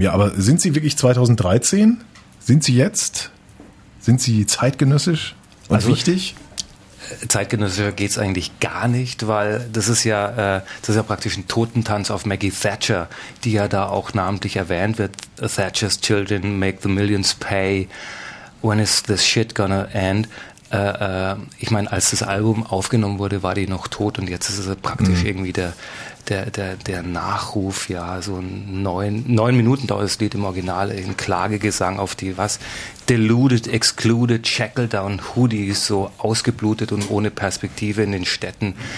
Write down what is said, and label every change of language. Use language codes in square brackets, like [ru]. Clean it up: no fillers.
[de] Ja, aber sind sie wirklich 2013? Sind sie jetzt? Sind sie zeitgenössisch und also wichtig? Zeitgenössischer geht es eigentlich gar nicht, weil das ist ja praktisch ein Totentanz auf Maggie Thatcher, die ja da auch namentlich erwähnt wird. [en] Thatcher's children make the millions pay. When is this shit gonna end? [de] Ich meine, als das Album aufgenommen wurde, war die noch tot und jetzt ist es praktisch irgendwie der Nachruf, ja, so ein neun Minuten dauert das Lied im Original, ein Klagegesang auf die, was, [en] deluded, excluded, shackled down, [de] hoodies, so ausgeblutet und ohne Perspektive in den Städten.